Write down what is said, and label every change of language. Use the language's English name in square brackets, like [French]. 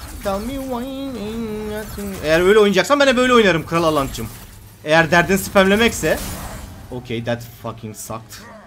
[English] Tell me why ain't nothing. [Turkish] Eğer öyle oynayacaksan ben de böyle oynarım Kral Alant'cım. Eğer derdin spamlemekse. [English] Okay, that fucking sucked.